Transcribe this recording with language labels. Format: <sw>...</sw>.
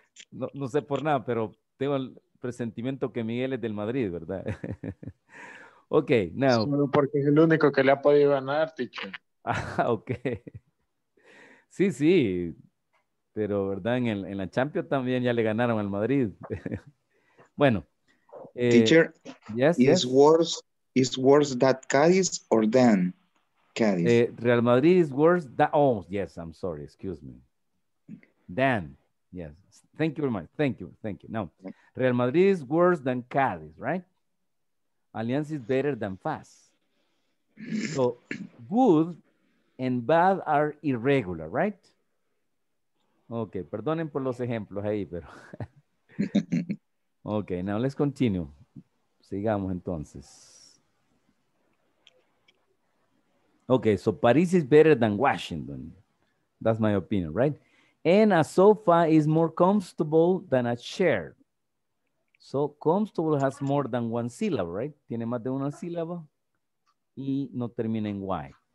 <es>No, no sé por nada, pero tengo el presentimiento que Miguel es del Madrid, ¿verdad?</es> <en>Ok, now.</en> <es>Solo porque es el único que le ha podido ganar, ticho. Ah, ok. Sí, sí, pero verdad, en la Champions también ya le ganaron al Madrid. Bueno.</es> <en>Teacher, yes, is worse that Cádiz or than Cádiz? Real Madrid is worse that, oh, yes, I'm sorry, excuse me. Than, yes, thank you very much, thank you. No, Real Madrid is worse than Cádiz, right? Alianza is better than FAS. So, good and bad are irregular, right?</en> <es>Okay, perdonen por los ejemplos ahí, pero.</es> <en>Okay, now let's continue.</en> <es>Sigamos entonces.</es> <en>Okay, so Paris is better than Washington. That's my opinion, right? And a sofa is more comfortable than a chair. So comfortable has more than one syllable, right?</en> <es>Tiene más de una sílaba y no termina en Y.</es>